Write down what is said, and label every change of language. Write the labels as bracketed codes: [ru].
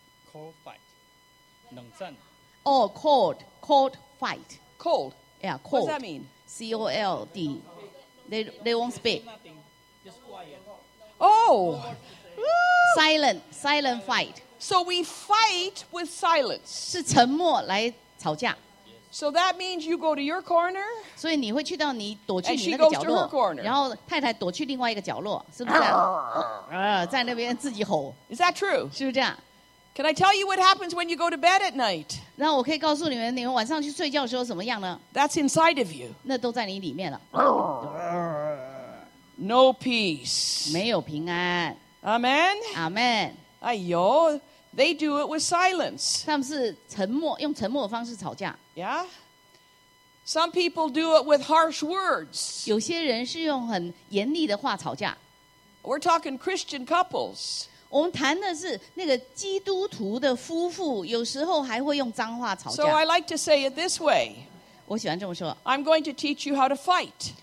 [en] ？Cold fight， [zh] 冷战。 [en] Oh， cold， cold fight， cold。 Yeah, cold. What does that mean? C-O-L-D. They won't speak. Oh! Silent. Silent fight. So we fight with silence. [zh] 是沉默来吵架。 [en] So that means you go to your corner. [zh] 所以你会去到你躲去你那个角落。 [en] And she goes to her corner. [zh] 然后太太躲去另外一个角落。是不是这样？在那边自己吼。 [en] Is that true? [zh] 是不是这样？ [en] Can I tell you what happens when you go to bed at night? [zh] 那我可以告诉你们，你们晚上去睡觉的时候怎么样呢？ [en] That's inside of you. [zh] 那都在你里面了。 [en] No peace. [zh] 没有平安。 [en] Amen. Amen. 哎呦 ，They do it with silence. [zh] 他们是沉默，用沉默的方式吵架。 [en] Yeah. Some people do it with harsh words. [zh] 有些人是用很严厉的话吵架。 [en] We're talking Christian couples. [zh] 我们谈的是那个基督徒的夫妇，有时候还会用脏话吵架。 [en] So I like to say it this way. [zh] 我喜欢这么说。 [en] I'm going to teach you how to fight.